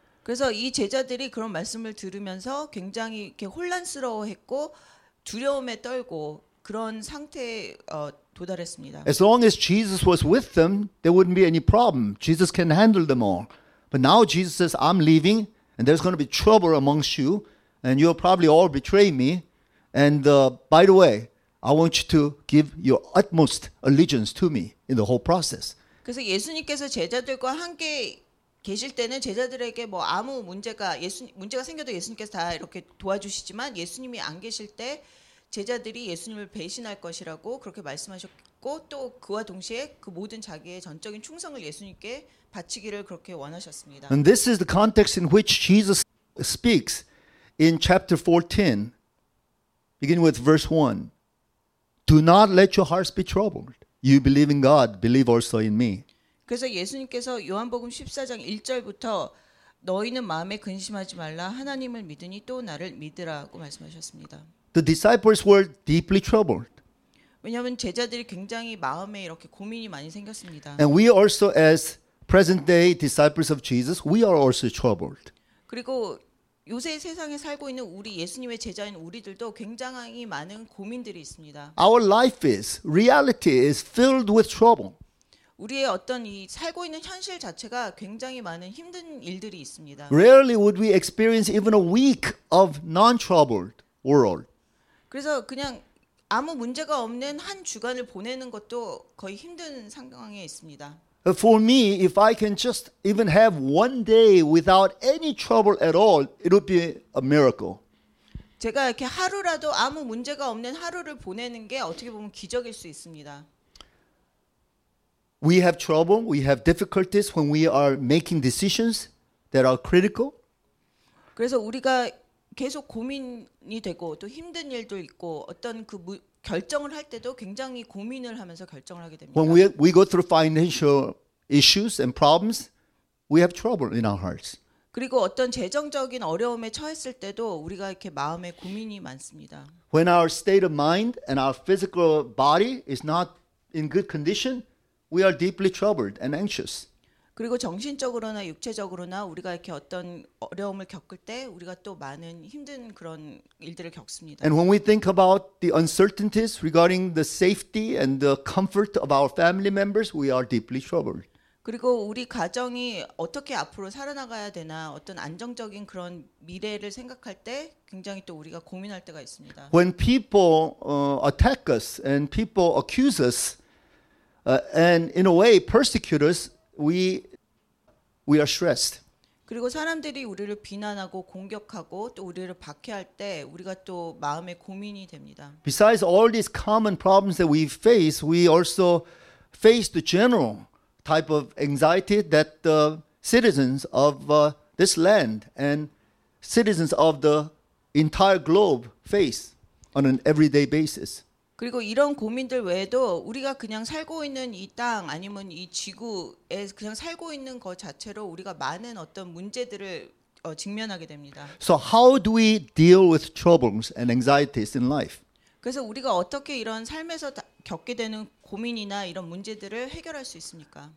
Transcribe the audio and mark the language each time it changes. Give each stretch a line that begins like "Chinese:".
Korean: 그래서 이 제자들이 그런 말씀을 들으면서 굉장히 이렇게 혼란스러워했고 두려움에 떨고 그런 상태에 도달했습니다.
English: As long as Jesus was with them, there wouldn't be any problem. Jesus can handle them all. But now Jesus says, I'm leaving and there's going to be trouble amongst you and you'll probably all betray me. And by the way, I want you to give your utmost allegiance to me in the whole process.
Korean: 그래서 예수님께서 제자들과 함께 계실 때는 제자들에게 뭐 아무 문제가 문제가 생겨도 예수님께서 다 이렇게 도와주시지만 예수님이 안 계실 때 제자들이 예수님을 배신할 것이라고 그렇게 말씀하셨고 또 그와 동시에 그 모든 자기의 전적인 충성을 예수님께 바치기를 그렇게 원하셨습니다.
English: And this is the context in which Jesus speaks in chapter 14, beginning with verse 1. Do not let your hearts be troubled. You believe in God, believe also in me.
Korean: 그래서 예수님께서 요한복음 14장 1절부터 너희는 마음에 근심하지 말라 하나님을 믿으니 또 나를 믿으라고 말씀하셨습니다.
English: The disciples were deeply troubled.
Korean: 왜냐하면 제자들이 굉장히 마음에 이렇게 고민이 많이 생겼습니다.
English: And we also as present day disciples of Jesus, we are also troubled.
Korean: 그리고 요새 세상에 살고 있는 우리 예수님의 제자인 우리들도 굉장히 많은 고민들이 있습니다.
English: Our life is, reality is filled with trouble.
Korean: 우리의 어떤 이 살고 있는 현실 자체가 굉장히 많은 힘든 일들이 있습니다.
English: Rarely would we experience even a week of non-troubled world.
Korean: 그래서 그냥 아무 문제가 없는 한 주간을 보내는 것도 거의 힘든 상황에 있습니다.
English: For me, if I can just even have one day without any trouble at all, it would be a miracle.
Korean: 제가 이렇게 하루라도 아무 문제가 없는 하루를 보내는 게 어떻게 보면 기적일 수 있습니다.
English: We have trouble, we have difficulties when we are making decisions that are critical.
Korean: 그래서 우리가 계속 고민이 되고 또 힘든 일도 있고 어떤 그 결정을 할 때도 굉장히 고민을 하면서 결정을 하게 됩니다.
English: When we go through financial issues and problems, we have trouble in our hearts.
Korean: 그리고 어떤 재정적인 어려움에 처했을 때도 우리가 이렇게 마음에 고민이 많습니다.
English: When our state of mind and our physical body is not in good condition, we are deeply troubled and anxious.
Korean: 그리고 정신적으로나 육체적으로나 우리가 이렇게 어떤 어려움을 겪을 때 우리가 또 많은 힘든 그런 일들을 겪습니다.
English: And when we think about the uncertainties regarding the safety and the comfort of our family members, we are deeply troubled.
Korean: 그리고 우리 가정이 어떻게 앞으로 살아나가야 되나 어떤 안정적인 그런 미래를 생각할 때 굉장히 또 우리가 고민할 때가 있습니다.
English: When people attack us and people accuse us, and in a way persecute us, we are stressed.
Korean: 그리고 사람들이 우리를 비난하고 공격하고 또 우리를 박해할 때 우리가 또 마음에 고민이 됩니다.
English: Besides all these common problems that we face, we also face the general type of anxiety that the citizens of this land and citizens of the entire globe face on an everyday basis.
Korean: 그리고 이런 고민들 외에도 우리가 그냥 살고 있는 이 땅 아니면 이 지구에 그냥 살고 있는 것 자체로 우리가 많은 어떤 문제들을 직면하게 됩니다.
English: So how do we deal with troubles and anxieties in life?
Korean: 그래서 우리가 어떻게 이런 삶에서 겪게 되는 고민이나 이런 문제들을 해결할 수 있습니까?